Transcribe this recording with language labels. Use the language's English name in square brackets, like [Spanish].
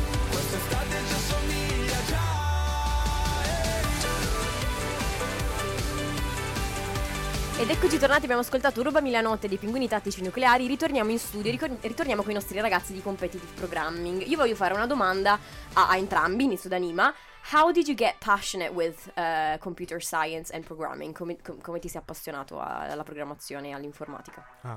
[Italian] Questa estate già somiglia già. Ed eccoci tornati, abbiamo ascoltato Rubami la notte dei Pinguini Tattici Nucleari. Ritorniamo in studio, ritorniamo con i nostri ragazzi di Competitive Programming. Io voglio fare una domanda a entrambi, inizio da Nima. [English] How did you get passionate with computer science and programming? [Italian] Come ti sei appassionato alla programmazione e all'informatica?